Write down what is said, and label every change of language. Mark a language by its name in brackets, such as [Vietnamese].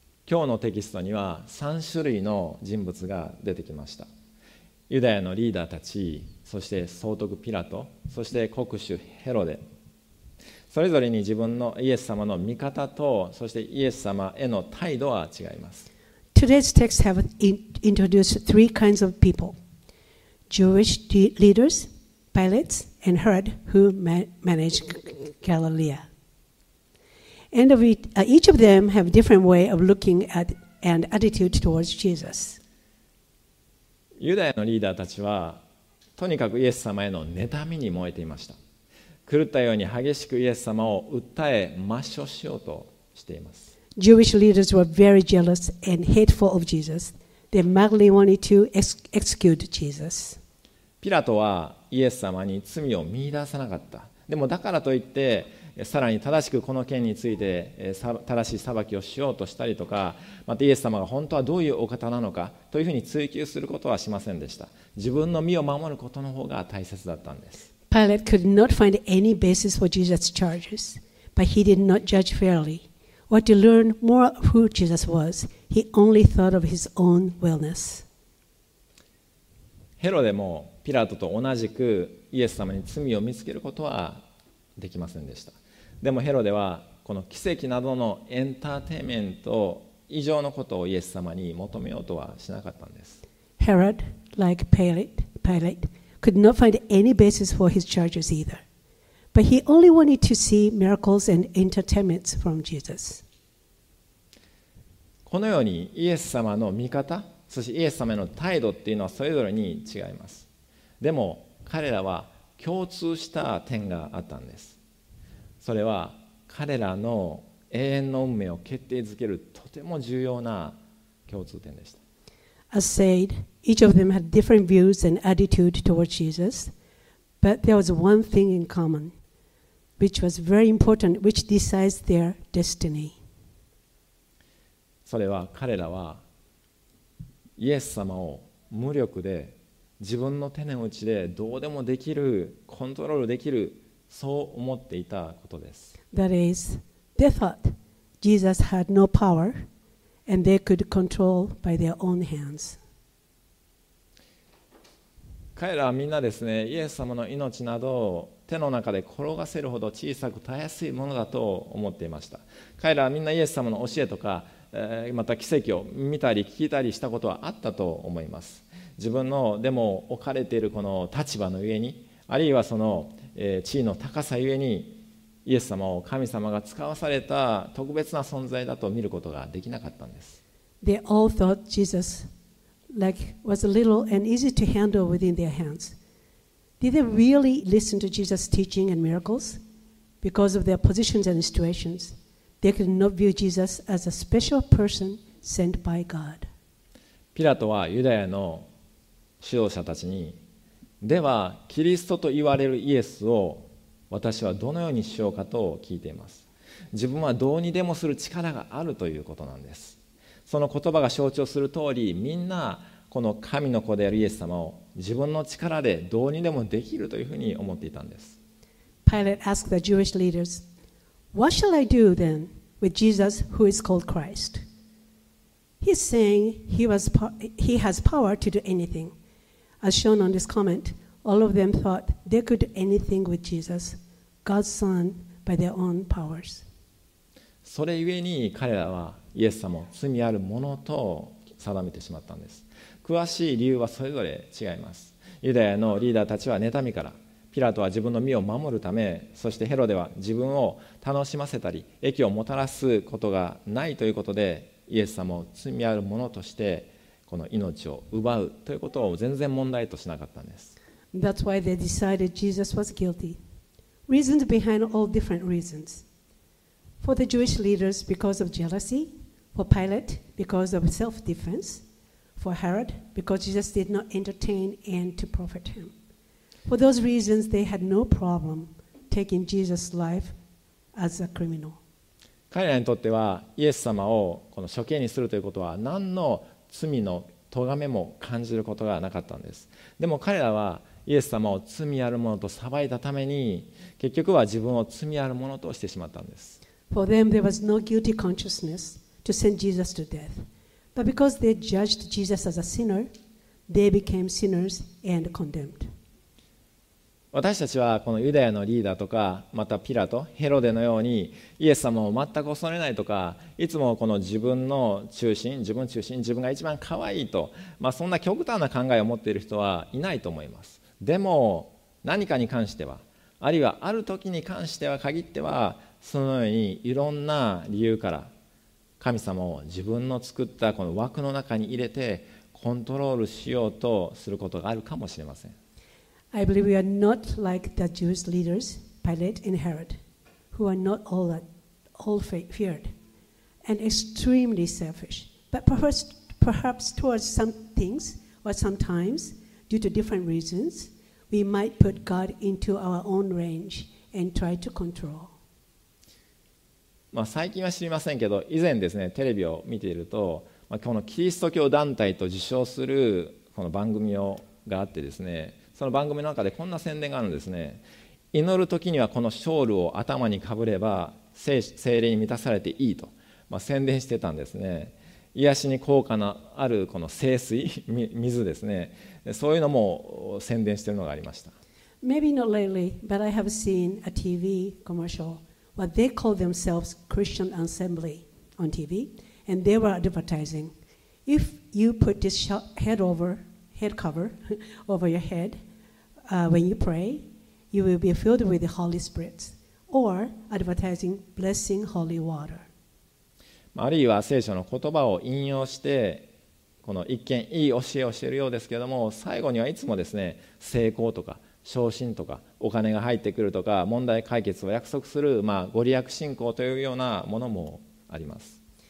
[Japanese] 今日のテキストには3種類の人物が出てきました。ユダヤのリーダーたち、そして総督ピラト、そして国主ヘロデ。それぞれに自分のイエス様の見方と、そしてイエス様への態度は違います。 [English] Today's text have introduced three kinds of people: Jewish leaders, Pilate, and Herod, who managed Galilee. And each of them have a different way of looking at and attitude towards Jesus. [Japanese] ユダヤのリーダーたちはとにかくイエス様への妬みに燃えていました。狂ったように激しくイエス様を訴え抹消しようとしています。 [English] Jewish leaders were very jealous and hateful of Jesus. They madly wanted to execute Jesus. [Japanese] ピラトはイエス様に罪を見出さなかった。でもだからといって、さらに正しくこの件について正しい裁きをしようとしたりとか、またイエス様が本当はどういうお方なのかというふうに追及することはしませんでした。自分の身を守ることの方が大切だったんです。 [English] Pilate could not find any basis for Jesus' charges, but he did not judge fairly. What to learn more of who Jesus was, he only thought of his own wellness. [Japanese] ヘロデもピラトと同じくイエス様に罪を見つけることはできませんでした。でもヘロデはこの奇跡などのエンターテインメント以上のことをイエス様に求めようとはしなかったんです。 [English] Herod, like Pilate, could not find any basis for his charges either. But he only wanted to see miracles and entertainments from Jesus. [Japanese] このようにイエス様の見方、そしてイエス様の態度っていうのはそれぞれに違います。でも彼らは共通した点があったんです。それは彼らの永遠の運命を決定づけるとても重要な共通点でした。 [English] As said, each of them had different views and attitude towards Jesus, but there was one thing in common.Which was very important, which decides their destiny. [Japanese] それは彼らはイエス様を無力で自分の手の内でどうでもできる、コントロールできる、そう思っていたことです。 [English] That is, they thought Jesus had no power and they could control by their own hands. [Japanese] 彼らはみんなですね、イエス様の命などを手の中で転がせるほど小さくたやすいものだと思っていました。彼らはみんなイエス様の教えとか、また奇跡を見たり聞いたりしたことはあったと思います。自分のでも置かれているこの立場の上に、あるいはその地位の高さ上に、イエス様を神様が使わされた特別な存在だと見ることができなかったんです。 [English] They all thought Jesus like was little and easy to handle within their hands. Did they really listen to Jesus' teaching and miracles? Because of their positions and situations, they could not view Jesus as a special person sent by God. [Japanese] ピラトはユダヤの指導者たちに、ではキリストと言われるイエスを私はどのようにしようかと聞いています。自分はどうにでもする力があるということなんです。その言葉が象徴する通り、みんなこの神の子であるイエス様を自分の力でどうにでもできるというふうに思っていたんです。 [English] Pilate asked the Jewish leaders, What shall I do then with Jesus who is called Christ? He's saying he has power to do anything. As shown on this comment, all of them thought they could do anything with Jesus, God's son, by their own powers. [Japanese] それゆえに彼らはイエス様を罪あるものと定めてしまったんです。詳しい理由はそれぞれ違います。ユダヤのリーダーたちは妬みから、ピラトは自分の身を守るため、そしてヘロデは自分を楽しませたり、益をもたらすことがないということで、イエス様を罪あるものとしてこの命を奪うということを全然問題としなかったんです。 [English] That's why they decided Jesus was guilty. Reasons behind all different reasons. For the Jewish leaders, because of jealousy. For Pilate, because of self-defense. For Herod, because Jesus did not entertain and to profit him. For those reasons, they had no problem taking Jesus' life as a criminal. [Japanese] 彼らにとってはイエス様をこの処刑にするということは何の罪の咎めも感じることがなかったんです。でも彼らはイエス様を罪ある者と裁いたために、結局は自分を罪ある者としてしまったんです。 [English] For them there was no guilty consciousness to send Jesus to death. But because they judged Jesus as a sinner, they became sinners and condemned. [Japanese] 私たちはこのユダヤのリーダーとか、またピラト、ヘロデのようにイエス様を全く恐れないとか、いつもこの自分の中心、自分中心、自分が一番可愛いと、まあ、そんな極端な考えを持っている人はいないと思います。でも何かに関しては、あるいはある時に関しては限っては、そのようにいろんな理由から神様を自分の作ったこの枠の中に入れてコントロールしようとすることがあるかもしれません。 [English] I believe we are not like the Jewish leaders, Pilate and Herod, who are not all feared and extremely selfish, but perhaps towards some things or sometimes due to different reasons, we might put God into our own range and try to control. [Japanese] まあ最近は知りませんけど、以前ですね、テレビを見ていると、まあ、このキリスト教団体と自称するこの番組をがあってですね、その番組の中でこんな宣伝があるんですね。祈るときにはこのショールを頭にかぶれば聖霊に満たされていいと、まあ、宣伝してたんですね。癒しに効果のあるこの聖水、水ですね。そういうのも宣伝してるのがありました。 [English] Maybe not lately, but I have seen a TV commercial where they call themselves Christian Assembly on TV, and they were advertising. If you put this head cover over your head when you pray, you will be filled with the Holy Spirit or advertising blessing holy water. [Japanese] あるいは聖書の言葉を引用してこの一見いい教えをしているようですけれども、最後にはいつもですね、成功とか昇進とかお金が入ってくるとか問題解決を約束する、まあ、ご利益信仰というようなものもあります。